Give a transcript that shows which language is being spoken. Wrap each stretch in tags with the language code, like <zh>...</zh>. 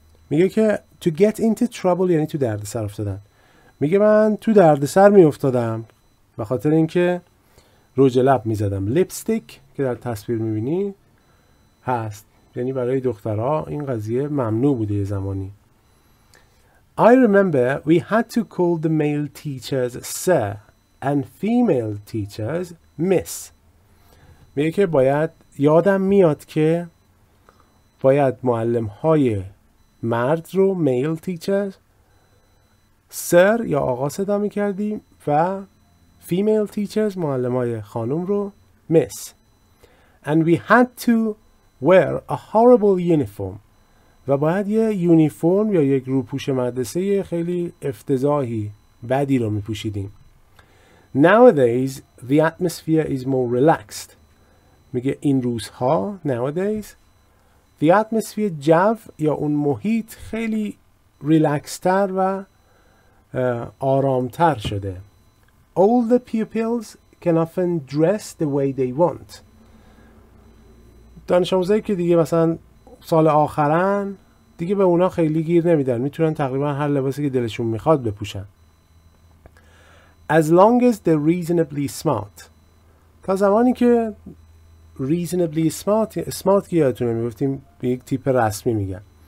<fa>میگه که</fa> <en>to get into trouble</en> <fa>یعنی تو درد سر افتادن. میگه من تو درد سر میافتادم به خاطر اینکه روج لب میزدم. lipstick که در تصویر میبینی هست، یعنی برای دخترها این قضیه ممنوع بوده یه زمانی.</fa> <en>I remember we had to call the male teachers sir and female teachers miss.</en> <fa>میگه که باید یادم میاد که باید معلم های مرد رو</fa> <en>male teachers sir</en> <fa>یا آقا صدا میکردیم و</fa> <en>female teachers</en> <fa>معلم های خانم رو miss.</fa> <en>And we had to wear a horrible uniform.</en> <fa>و باید یه یونیفرم یا یک روپوش مدرسه خیلی افتضاحی بدی رو میپوشیدیم.</fa> <en>Nowadays the atmosphere is more relaxed.</en> <fa>میگه این روزها،</fa> <en>nowadays the atmosphere،</en> <fa>جو یا اون محیط خیلی ریلکستر و آرامتر شده.</fa> <en>All the pupils can often dress the way they want.</en> <fa>دانش آموزایی که دیگه مثلا سال آخرن، دیگه به اونا خیلی گیر نمیدن، میتونن تقریبا هر لباسی که دلشون میخواد بپوشن.</fa> <en>As long as they're reasonably smart.</en> <fa>تا زمانی که</fa> <en>reasonably smart،</en> <fa>smart که یادتونه میگفتیم به یک تیپ رسمی میگن.</fa>